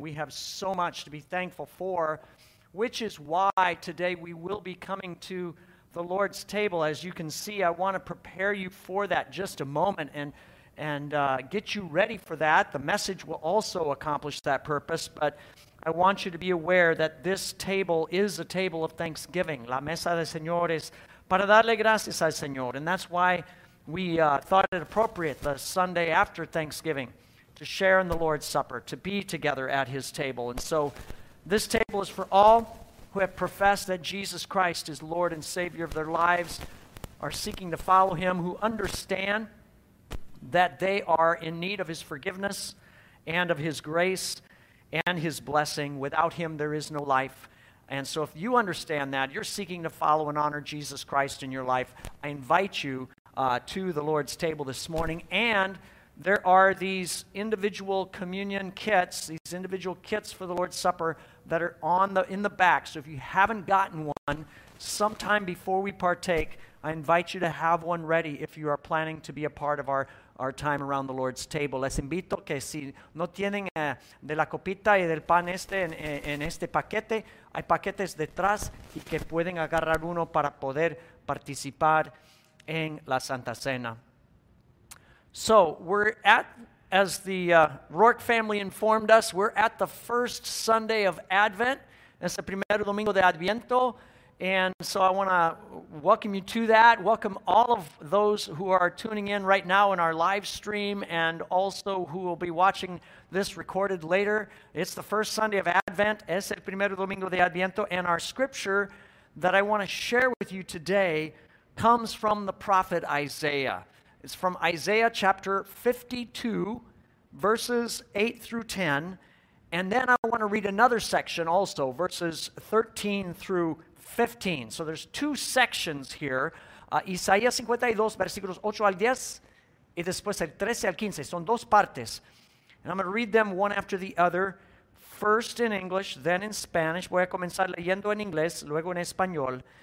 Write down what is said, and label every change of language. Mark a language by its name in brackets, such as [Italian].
[English] We have so much to be thankful for, which is why today we will be coming to the Lord's table. As you can see, I want to prepare you for that just a moment and get you ready for that. The message will also accomplish that purpose, but I want you to be aware that this table is a table of thanksgiving. [Spanish] La mesa del Señor es para darle gracias al Señor. [English] And that's why we thought it appropriate the Sunday after Thanksgiving to share in the Lord's Supper, to be together at His table. And so this table is for all who have professed that Jesus Christ is Lord and Savior of their lives, are seeking to follow Him, who understand that they are in need of His forgiveness and of His grace and His blessing. Without Him, there is no life. And so if you understand that, you're seeking to follow and honor Jesus Christ in your life, I invite you to the Lord's table this morning. And there are these individual communion kits, these individual kits for the Lord's Supper that are in the back. So if you haven't gotten one, sometime before we partake, I invite you to have one ready if you are planning to be a part of our time around the Lord's table. [Spanish] Les invito que si no tienen de la copita y del pan en este paquete, hay paquetes detrás y que pueden agarrar uno para poder participar en la Santa Cena. [English] So we're at, as the Rourke family informed us, we're at the first Sunday of Advent. [Spanish] Es el primer domingo de Adviento. [English] And so I want to welcome you to that. Welcome all of those who are tuning in right now in our live stream and also who will be watching this recorded later. It's the first Sunday of Advent. [Spanish] Es el primer domingo de Adviento. [English] And our scripture that I want to share with you today comes from the prophet Isaiah. It's from Isaiah chapter 52, verses 8 through 10. And then I want to read another section also, verses 13 through 15. So there's two sections here. [Spanish] Isaías 52, versículos 8 al 10, y después el 13 al 15. Son dos partes. [English] And I'm going to read them one after the other, first in English, then in Spanish. [Spanish] Voy a comenzar leyendo en inglés, luego en español.